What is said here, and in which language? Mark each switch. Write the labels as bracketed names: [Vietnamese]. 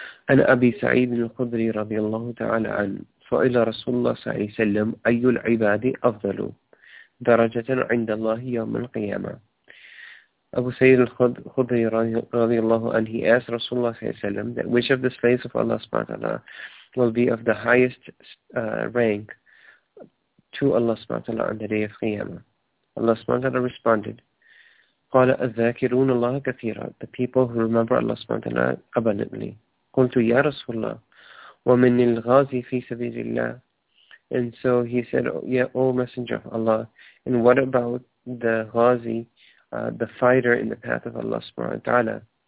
[Arabic] أن أبي سعيد الخدري رضي الله تعالى عنه سئل رسول الله صلى الله عليه وسلم أي العباد أفضل؟ درجة عند الله يوم القيامة. [English] أبو سيد الخضري رضي الله عنه, he asked Rasulullah صلى الله عليه وسلم that which of the slaves of Allah subhanahu wa ta'ala will be of the highest rank to Allah subhanahu wa ta'ala on the day of Qiyamah. Allah subhanahu wa ta'ala responded, [Arabic] قال أذاكرون الله كثيرا, [English] the people who remember Allah subhanahu wa ta'ala abundantly. [Arabic] قلت يا رسول الله ومن الغازي في سبيل الله. [English] And so he said, O Messenger of Allah, and what about the Ghazi, the fighter in the path of Allah subhanahu wa ta'ala?